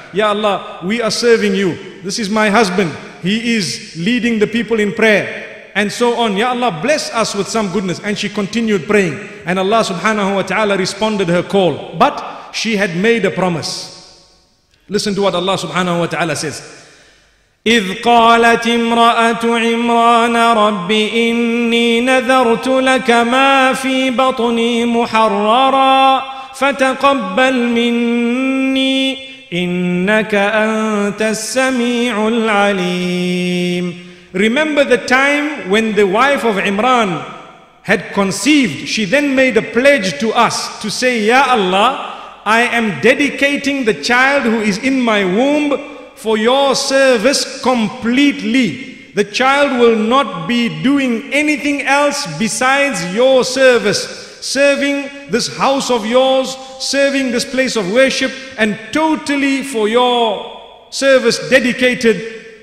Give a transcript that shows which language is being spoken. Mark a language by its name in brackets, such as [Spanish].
[English] Ya Allah, we are serving you. This is my husband. He is leading the people in prayer. And so on. Ya Allah, bless us with some goodness. And she continued praying. And Allah subhanahu wa ta'ala responded her call. But she had made a promise. Listen to what Allah subhanahu wa ta'ala says. [Arabic] إذ قالت امرأة عمران رب إني نذرت لك ما في بطني محررا فتقبل مني إنك أنت السميع العليم. [English] Remember the time when the wife of Imran had conceived. She then made a pledge to us to say, Ya Allah, I am dedicating the child who is in my womb for your service completely. The child will not be doing anything else besides your service, serving this house of yours, serving this place of worship, and totally for your service dedicated.